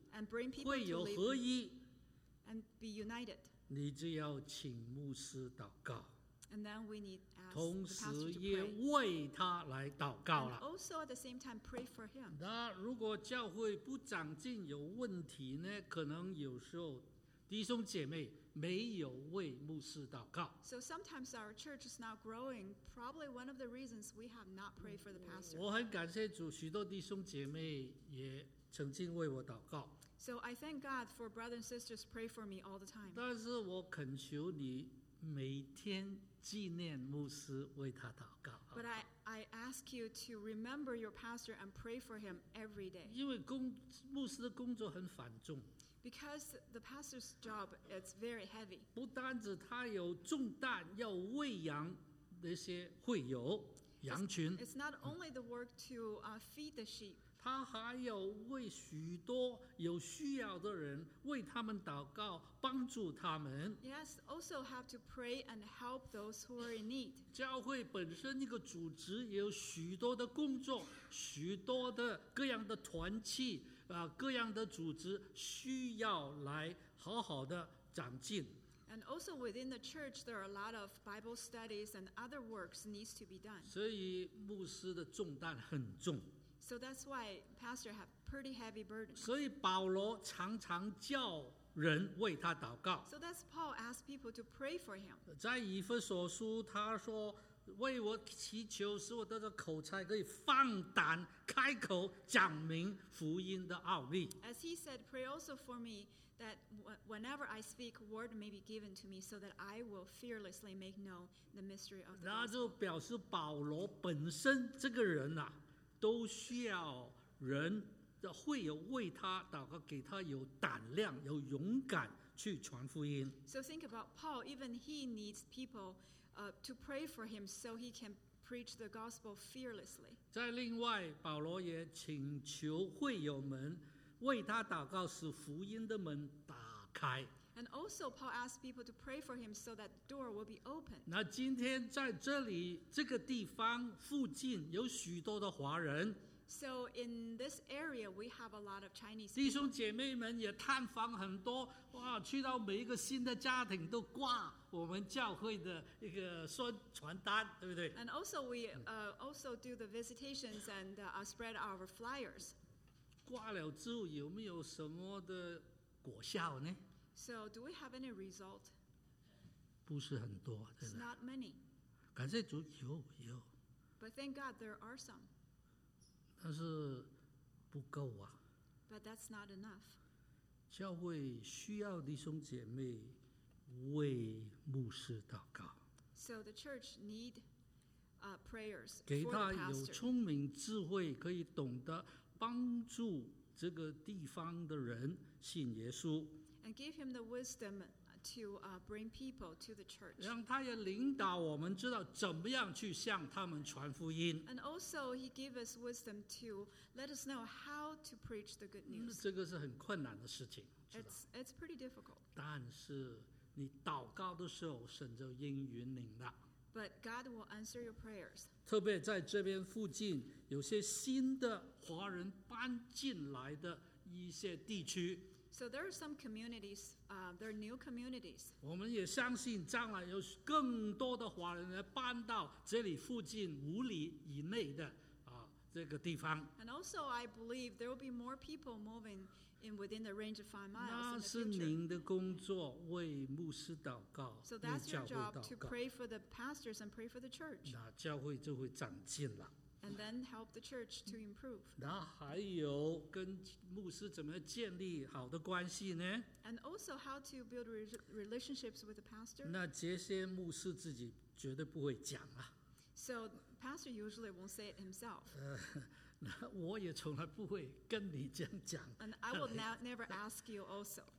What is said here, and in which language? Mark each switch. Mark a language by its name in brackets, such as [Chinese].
[English] and bring people [Chinese] 会有合一 [English] and be united. [Chinese] 你就要请牧师祷告 [English] and then we need ask [Chinese] 同时也为他来祷告了 [English] and also at the same time pray for him. [Chinese] 那如果教会不长进有问题呢，可能有时候弟兄姐妹没有为牧师祷告。 [English] So sometimes our church is not growing. Probably one of the reasons we have not prayed for the pastor. [Chinese] 我很感谢主，许多弟兄姐妹也曾经为我祷告。 [English] So I thank God for brothers and sisters pray for me all the time. [Chinese] 但是我恳求你每天纪念牧师为他祷告。 [English] But I ask you to remember your pastor and pray for him every day. [Chinese] 因为牧师的工作很繁重。 [English] Because the pastor's job is very heavy. [Chinese] 不单只他有重担要喂养那些会友羊群。 [English] It's not only the work to feed the sheep. [Chinese] 他还有为许多有需要的人为他们祷告，帮助他们。 [English] Yes, also have to pray and help those who are in need. [Chinese] 教会本身一个组织也有许多的工作，许多的各样的团契。各样的组织需要来好好的长进。 [English] And also within the church, there are a lot of Bible studies and other works needs to be done. [Chinese] 所以牧师的重担很重。 [English] So that's why pastor have pretty heavy burden. [Chinese] 所以保罗常常叫人为他祷告。 [English] So that's Paul asked people to pray for him. [Chinese] 在以弗所书他说，为我祈求，使我的口才可以放胆开口讲明福音的奥秘。 [English] As he said, pray also for me that whenever I speak, word may be given to me, so that I will fearlessly make known the mystery of the gospel. [Chinese] 那就表示保罗本身这个人呐，都需要人的会有为他祷告，给他有胆量、有勇敢去传福音。 [English] So think about Paul; even he needs people. To pray for him so he can preach the gospel fearlessly. [Chinese] 再另外，保罗也请求会友们为他祷告，使福音的门打开。 [English] And also, Paul asked people to pray for him so that the door will be open. [Chinese] 那今天在这里这个地方附近有许多的华人。 [English] So in this area, we have a lot of Chinese. [Chinese] 弟兄姐妹们也探访很多，哇，去到每一个新的家庭都挂我们教会的一个宣传单，对不对 [English] ？And also, we also do the visitations and spread our flyers. [Chinese] 挂了之后有没有什么的果效呢？ [English] So, do we have any result? [Chinese] 不是很多，对不对 [English] It's not many. [Chinese] 感谢主，有。 [English] But thank God there are some. [Chinese] 但是不够啊。 [English] But that's not enough. [Chinese] 教会需要弟兄姐妹为牧师祷告。 [English] So the church need prayers for the pastor. [Chinese] 给他有聪明智慧，可以懂得帮助这个地方的人信耶稣。 [English] And give him the wisdom to bring people to the church. [Chinese] 让他也领导我们知道怎么样去向他们传福音。 [English] And also, he gave us wisdom to let us know how to preach the good news. [Chinese] 这个是很困难的事情。 [English] It's pretty difficult. [Chinese] 但是你祷告的时候，神就应允你的。 [English] But God will answer your prayers. [Chinese] 特别在这边附近，有些新的华人搬进来的一些地区。 [English] So there are some communities, there are new communities. [Chinese] 我们也相信将来有更多的华人来搬到这里附近五里以内的这个地方。 [English] And also, I believe there will be more people moving in within the range of 5 miles. [Chinese] 那是您的工作，为牧师祷告。 [English] So that's your job to pray for the pastors and pray for the church. [Chinese] 那教会就会长进了。 [English] And then help the church to improve. [Chinese] 那还有跟牧师怎么建立好的关系呢 [English] ？And also how to build relationships with the pastor. [Chinese] 那这些牧师自己绝对不会讲啊。 [English] So pastor usually won't say it himself. [Chinese] 那我也从来不会跟你这样讲。 [English] And I will never ask you also.